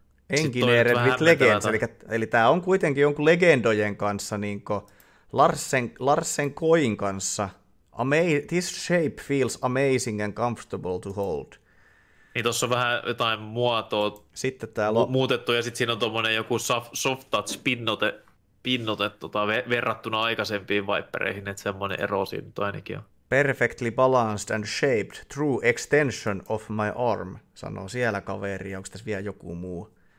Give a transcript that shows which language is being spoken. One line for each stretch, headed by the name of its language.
English: Engineered with legends,
Finnish: eli tämä on kuitenkin jonkun legendojen kanssa, niin kuin Larsen Coin kanssa.
English: This shape feels amazing and comfortable to hold.
Finnish: Niin tuossa on vähän jotain muotoa sitten täällä on muutettu, ja sitten siinä on tuommoinen joku soft touch pinnote verrattuna aikaisempiin Vipereihin, että semmoinen ero siinä nyt ainakin on.
English: Perfectly balanced and shaped, true extension of my arm,
Finnish: sanoo siellä kaveri, onko tässä vielä joku muu.